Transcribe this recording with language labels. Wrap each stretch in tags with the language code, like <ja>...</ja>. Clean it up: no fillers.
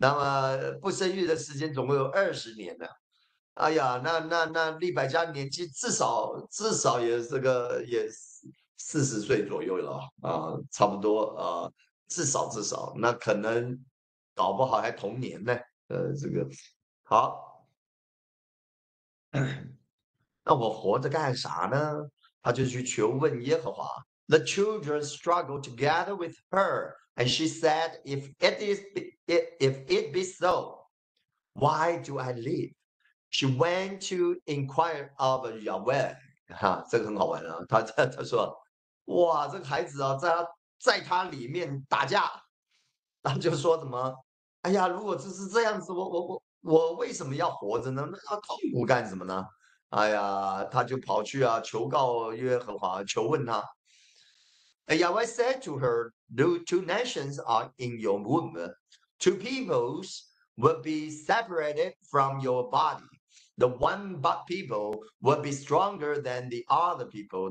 <zh>那么不生育的时间总共有20年呢，哎呀，那利百加年纪至少也是个也40岁左右了啊，差不多啊，至少那可能搞不好还同年呢，这个好，那我活着干啥呢？他就去求问耶和华。</zh> <en>The children struggled together with her, and she said, "If it be so, why do I live?" She went to inquire of Yahweh.</en> <zh>哈，这个很好玩啊！他说，哇，这个孩子啊，在他里面打架，然后就说什么？哎呀，如果只是这样子，我为什么要活着呢？那痛苦干什么呢？哎呀，他就跑去啊，求告耶和华，求问他。</zh> <en>Yahweh said to her, two nations are in your womb. Two peoples will be separated from your body. The one people will be stronger than the other people.</en>